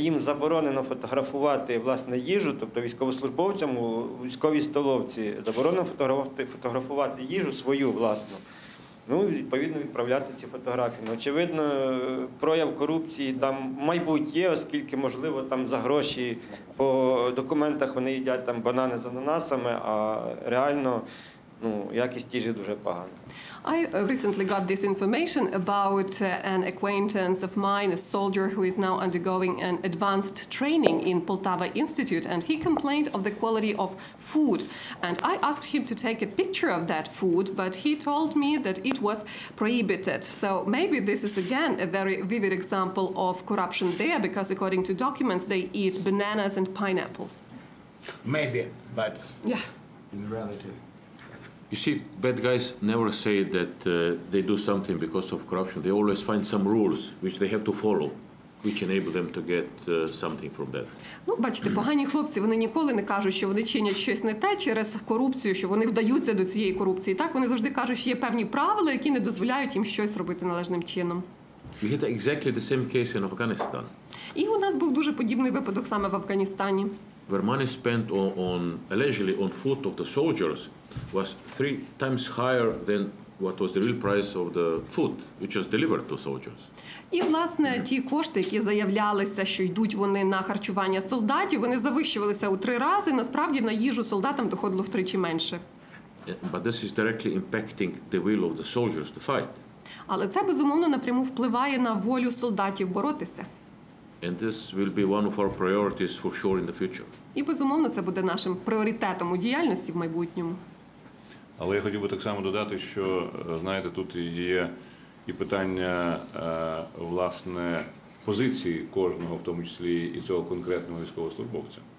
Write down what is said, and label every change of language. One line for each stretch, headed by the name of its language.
Ukrainian: Їм заборонено фотографувати, власне, їжу, тобто військовослужбовцям у військовій столовці, заборонено фотографувати їжу свою, власну. Ну, відповідно, відправляти ці фотографії. Ну, очевидно, прояв корупції там майбутнє, оскільки, можливо, там за гроші по документах вони їдять там банани з ананасами, а реально, ну, якість їжі дуже погана.
English: I recently got this information about an acquaintance of mine, a soldier who is now undergoing an advanced training in Poltava Institute, and he complained of the quality of food. And I asked him to take a picture of that food, but he told me that it was prohibited. So maybe this is again a very vivid example of corruption there, because according to documents, they eat bananas and pineapples. Maybe, but yeah, in reality. You see, bad guys never say that they do something because of corruption. They always find some rules which they have to follow, which enable them to get something from that.
Ukrainian: Ну, бачите, погані хлопці, вони ніколи не кажуть, що вони чинять щось не те через корупцію, що вони вдаються до цієї корупції. Так, вони завжди кажуть, що є певні правила, які не дозволяють їм щось робити належним чином.
English: We had exactly the same case in Afghanistan.
Ukrainian: І у нас був дуже подібний випадок саме в Афганістані.
English: Where money spent on allegedly on food of the soldiers was three times higher than what was the real price of the food which was delivered to soldiers.
Ukrainian: І, власне, ті кошти, які заявлялися, що йдуть вони на харчування солдатів, вони завищувалися у три рази, насправді на їжу солдатам доходило втричі менше.
English: But this is directly impacting the will of the soldiers to fight.
Ukrainian: Але це, безумовно, напряму впливає на волю солдатів боротися.
English: And this will be one of our priorities for sure in the future.
Ukrainian: І, безумовно, це буде нашим пріоритетом у діяльності в майбутньому. Але я хотів би так само додати, що, знаєте, тут є і питання, власне, позиції кожного, в тому числі і цього конкретного військовослужбовця.